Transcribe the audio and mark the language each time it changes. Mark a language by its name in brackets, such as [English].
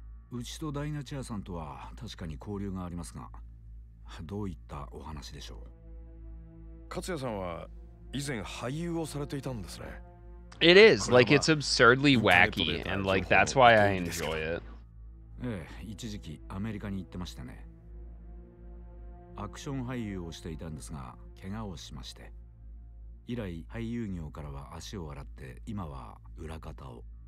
[Japanese] うちとダイナチアさんとは確かに交流がありますが、どういったお話でしょう。勝也さんは以前俳優をされていたんですね。 [English] It is like it's absurdly wacky and like that's why I enjoy it。 [Japanese] ええ、一時期アメリカに行ってましたね。アクション俳優をしていたんですが、怪我をしまして、以来俳優業からは足を洗って今は裏方を。